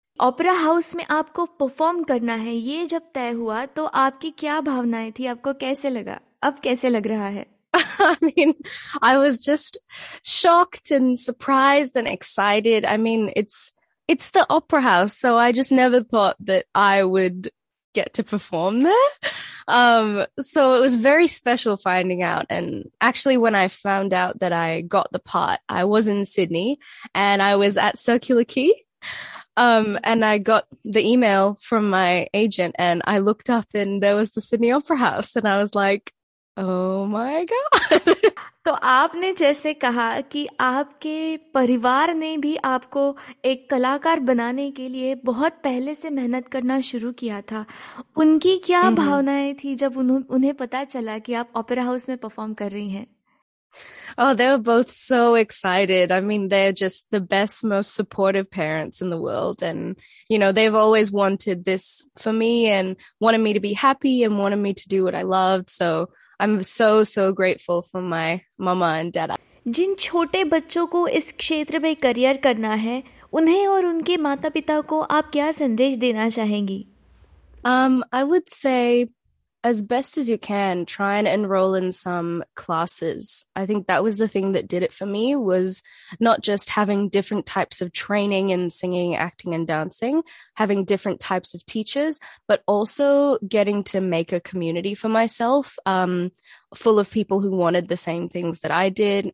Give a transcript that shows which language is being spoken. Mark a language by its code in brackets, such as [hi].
[hi] Opera house में आपको perform करना है, ये जब तय हुआ तो आपकी क्या भावनाएं थी? आपको कैसे लगा? अब कैसे लग रहा है? [en] I was just shocked and surprised and excited. I mean, it's the Opera House, so I just never thought that I would get to perform there. So it was very special finding out. And actually, when I found out that I got the part, I was in Sydney and I was at Circular Quay. And I got the email from my agent and I looked up and there was the Sydney Opera House and I was like, oh my God. [hi] तो आपने जैसे कहा कि आपके परिवार ने भी आपको एक कलाकार बनाने के लिए बहुत पहले से मेहनत करना शुरू किया था, उनकी क्या भावनाएं थी जब उन्हें पता चला कि आप ओपेरा हाउस में परफॉर्म कर रही हैं? [en] Oh, they were both so excited. I mean, they're just the best, most supportive parents in the world. And, you know, they've always wanted this for me and wanted me to be happy and wanted me to do what I loved. So I'm so, so grateful for my mama and dada. [hi] जिन छोटे बच्चों को इस क्षेत्र में career करना है, उन्हें और उनके माता-पिता को आप क्या संदेश देना चाहेंगी? [en] I would say, as best as you can, try and enroll in some classes. I think that was the thing that did it for me, was not just having different types of training in singing, acting and dancing, having different types of teachers, but also getting to make a community for myself, full of people who wanted the same things that I did.